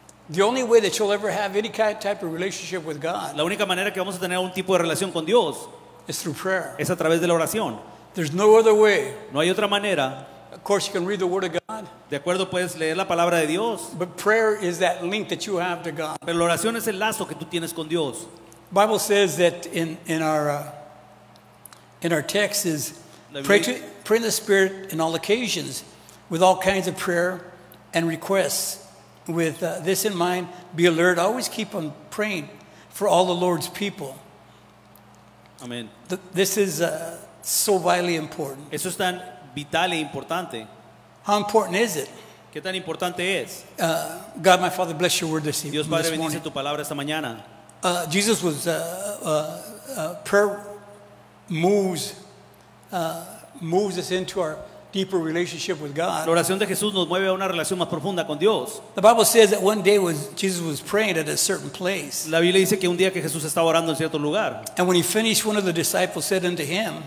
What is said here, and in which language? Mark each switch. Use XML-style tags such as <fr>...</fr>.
<en>The only way that you'll ever have any kind of type of relationship with God,</en> <es>la única manera que vamos a tener un tipo de relación con Dios,</es> <en>is through prayer.</en> <es>Es a través de la oración.</es> <en>There's no other way.</en> <es>No hay otra manera.</es> <en>Of course, you can read the Word of God.</en> <es>De acuerdo, puedes leer la palabra de Dios.</es> <en>But prayer is that link that you have to God.</en> <es>Pero la oración es el lazo que tú tienes con Dios.</es> <en>Bible says that in our text is pray in the Spirit in all occasions with all kinds of prayer and requests. With this in mind, be alert. Always keep on praying for all the Lord's people. Amen. This is so vitally important.</en> <es>Eso es tan vital e importante.</es> <en>How important is it?</en> <es>¿Qué tan importante es?</es> <en>God, my Father, bless your word this evening.</en> <es>Dios Padre bendice</es> <en>morning.</en> <es>Tu palabra esta mañana.</es> <en>Jesus was prayer moves us into our deeper relationship with God.</en> <es>La oración de Jesús nos mueve a una relación más profunda con Dios.</es> <en>The Bible says that one day Jesus was praying at a certain place.</en> <es>La Biblia dice que un día que Jesús estaba orando en cierto lugar.</es> <en>And when he finished, one of the disciples said unto him.</en>